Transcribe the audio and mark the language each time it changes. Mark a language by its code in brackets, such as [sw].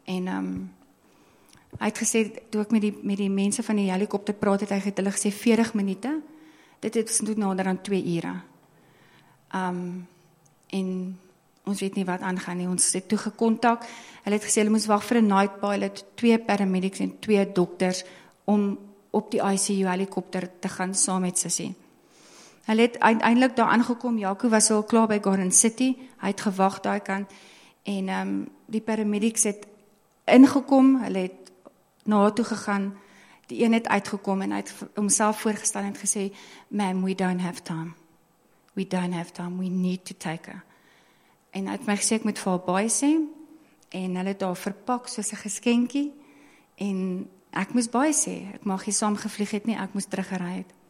[af] En hy het gesê, toe ek met die mense van die helikopter praat, het hy het hulle gesê 40 minute, dit het ons doet nader aan 2 ure. En ons weet nie wat aangaan nie, ons het toe gekontak, hulle het gesê, hulle moes wacht vir 'n night pilot, 2 paramedics en 2 dokters, om op die ICU helikopter te gaan saam met sy sê. Hulle het uiteindelik daar aangekom, Jaco was al klaar by Garden City, hy het gewacht daar kant, en die paramedics het ingekom, hulle het na toe gegaan, die een het uitgekom, en hy het homself voorgestel en het gesê, [en] ma'am, we don't have time. We don't have time, we need to take her. [af] En hy het my gesê, ek moet vir haar baie sê, en hulle het daar verpak soos 'n geskenkie, en ek moes baie sê, ek mag jy saam gevlieg het nie, ek moes teruggery het.